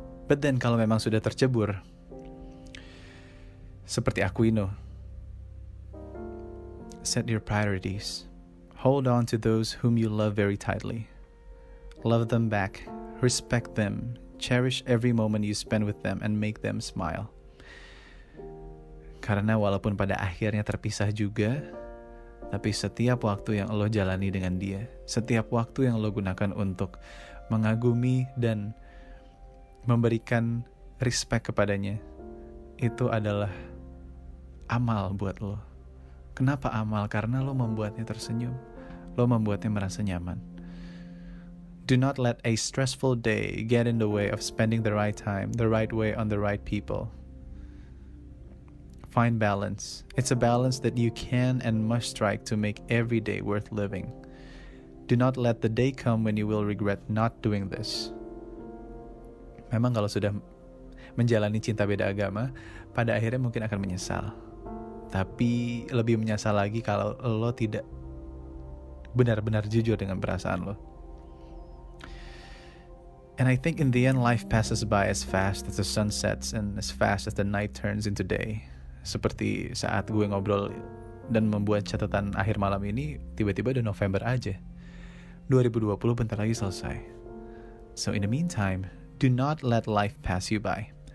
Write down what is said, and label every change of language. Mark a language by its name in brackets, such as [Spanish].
[English] But then [Indonesian] kalau memang sudah tercebur, seperti Aquino, [English] set your priorities. Hold on to those whom you love very tightly. Love them back. Respect them. Cherish every moment you spend with them and make them smile. [Indonesian] Karena walaupun pada akhirnya terpisah juga, tapi setiap waktu yang lo jalani dengan dia, setiap waktu yang lo gunakan untuk mengagumi dan memberikan respect kepadanya, itu adalah amal buat lo. Kenapa amal? Karena lo membuatnya tersenyum. Lo membuatnya merasa nyaman. [English] Do not let a stressful day get in the way of spending the right time, the right way on the right people. Find balance. It's a balance that you can and must strike to make every day worth living. Do not let the day come when you will regret not doing this. [Indonesian] Memang kalau sudah menjalani cinta beda agama, pada akhirnya mungkin akan menyesal. Tapi lebih menyesal lagi kalau lo tidak benar-benar jujur dengan perasaan lo. [English] And I think in the end, life passes by as fast as the sun sets and as fast as the night turns into day. [Indonesian] Seperti saat gue ngobrol dan membuat catatan akhir malam ini, tiba-tiba udah November aja. [English] 2020 [Indonesian] bentar lagi selesai. [English] So in the meantime, do not let life pass you by.